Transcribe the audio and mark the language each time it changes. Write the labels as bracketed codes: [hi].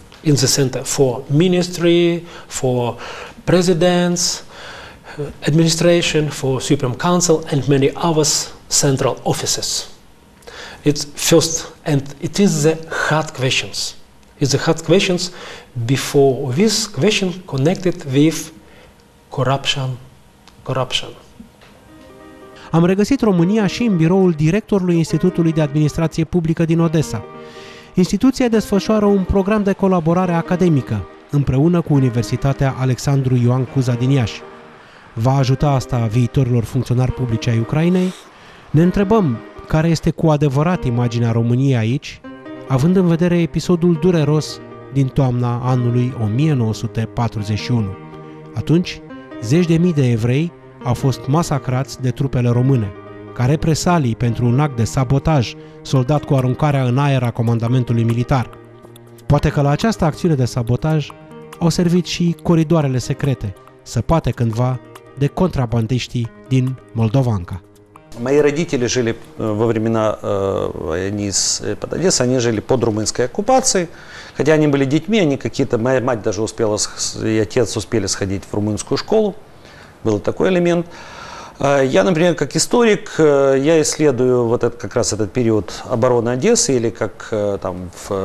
[en] In the center for ministry, for presidents, administration, for Supreme Council and many other central offices. It's first, and it is the hard questions. It's the hard questions before this question connected with corruption. [ro] Am regăsit România și în biroul directorului Institutului de Administrație Publică din Odessa. Instituția desfășoară un program de colaborare academică împreună cu Universitatea Alexandru Ioan Cuza din Iași. Va ajuta asta viitorilor funcționari publici ai Ucrainei? Ne întrebăm care este cu adevărat imaginea României aici, având în vedere episodul dureros din toamna anului 1941. Atunci, zeci de mii de evrei au fost masacrați de trupele române, ca represalii pentru un act de sabotaj soldat cu aruncarea în aer a comandamentului militar. Poate că la această acțiune de sabotaj au servit și coridoarele secrete, săpate cândva de contrabandiștii din Moldovanca. [ru] Мои родители жили во времена они из под Одессы, они жили под румынской оккупацией. Хотя они были детьми, они какие-то моя мать даже успела и отец успели сходить в румынскую школу. Был такой элемент. Я, например, как историк, я исследую вот этот как раз этот период обороны Одессы или как там в